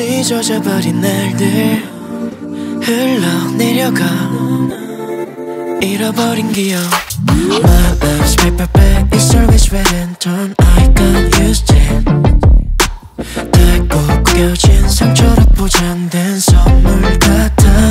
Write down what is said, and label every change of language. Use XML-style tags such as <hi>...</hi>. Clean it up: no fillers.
<ko>잊어져버린 날들 흘러내려가 잃어버린 기억.</ko> <en>My eyes paper bag is always red and torn. I got used to it.</en> <ko>닳고 구겨진 상처로 포장된 선물 같아.</ko>